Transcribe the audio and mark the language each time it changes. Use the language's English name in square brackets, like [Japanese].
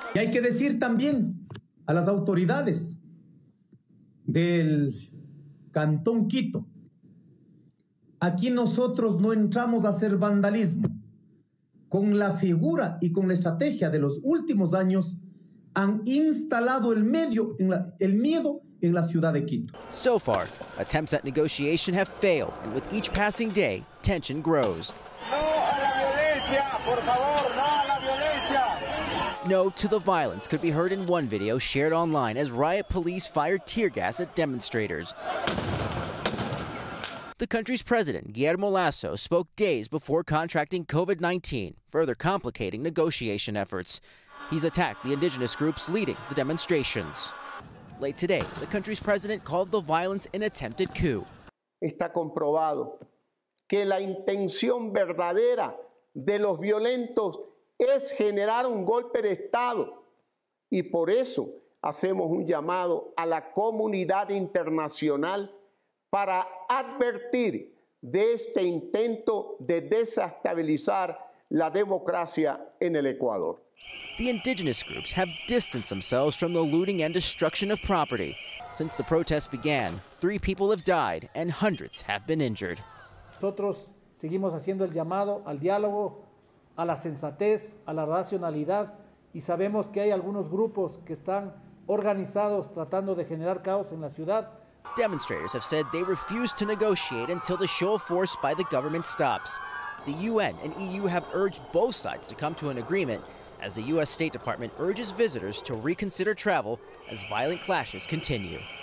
[Spanish] Y hay que decir también a las autoridades del Cantón Quito. Aquí nosotros no entramos a hacer vandalismo. Con la figura y con la estrategia de los últimos años, han instalado el miedo en la ciudad de Quito. [English] So far, attempts at negotiation have failed, and with each passing day, tension grows. [Spanish] No a la violencia, por favor, no a la violencia. [English] No to the violence could be heard in one video shared online as riot police fired tear gas at demonstrators. The country's president, Guillermo Lasso, spoke days before contracting COVID-19, further complicating negotiation efforts. He's attacked the indigenous groups leading the demonstrations. Late today, the country's president called the violence an attempted coup. [Spanish] Está comprobado que la intención verdadera de los violentos es generar un golpe de Estado. Y por eso hacemos un llamado a la comunidad internacional para advertir de este intento de desestabilizar la democracia en el Ecuador. [English] The indigenous groups have distanced themselves from the looting and destruction of property. Since the protests began, three people have died and hundreds have been injured. [Spanish] Nosotros seguimos haciendo el llamado al diálogo, a la sensatez, a la racionalidad, y sabemos que hay algunos grupos que están organizados tratando de generar caos en la ciudad. [English] Demonstrators have said they refuse to negotiate until the show of force by the government stops. The UN and EU have urged both sides to come to an agreement, as the U.S. State Department urges visitors to reconsider travel as violent clashes continue.